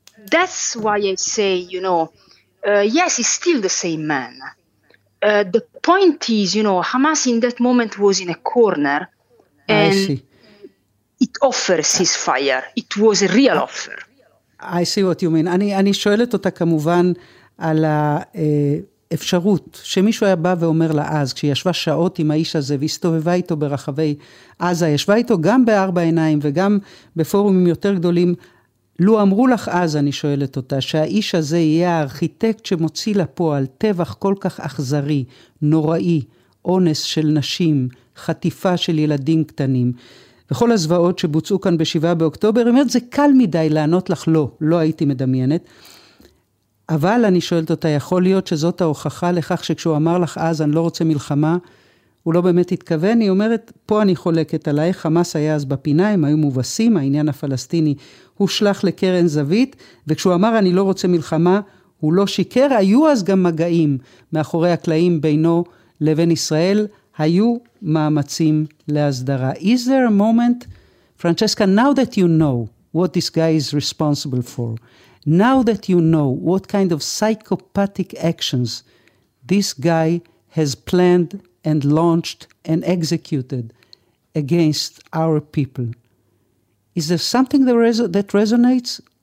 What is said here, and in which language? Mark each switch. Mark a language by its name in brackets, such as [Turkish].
[English] that's why I say, you know, yes, he's still the same man. The point is, you know, Hamas in that moment was in a corner and it offers his fire. It was a real offer. I see what you mean. [Hebrew] אני שואלת אותה כמובן על האפשרות שמישהו היה בא ואומר לה אז, כשהיא ישבה שעות עם האיש הזה והסתובבה איתו ברחבי עזה, ישבה איתו גם בארבע עיניים וגם בפורומים יותר גדולים, לו אמרו לך אז, אני שואלת אותה, שהאיש הזה יהיה הארכיטקט שמוציא לפועל טבח כל כך אכזרי, נוראי, אונס של נשים, חטיפה של ילדים קטנים, וכל הזוועות שבוצעו כאן בשבעה באוקטובר, אומרת, זה קל מדי לענות לך, לא, לא הייתי מדמיינת. אבל אני שואלת אותה, יכול להיות שזאת ההוכחה לכך שכשהוא אמר לך אז, אני לא רוצה מלחמה, הוא לא באמת התכוון, היא אומרת, פה אני חולקת עלייך, חמאס היה אז בפינה, הם היו מובסים, העניין הפלסטיני הושלך לקרן זווית, וכשהוא אמר אני לא רוצה מלחמה, הוא לא שיקר, היו אז גם מגעים מאחורי הקלעים בינו לבין ישראל, היו מאמצים להסדרה. [English] Is there a moment, Francesca, now that you know what this guy is responsible for, now that you know what kind of psychopathic actions this guy has planned and launched and executed against our people, is there something that that resonates?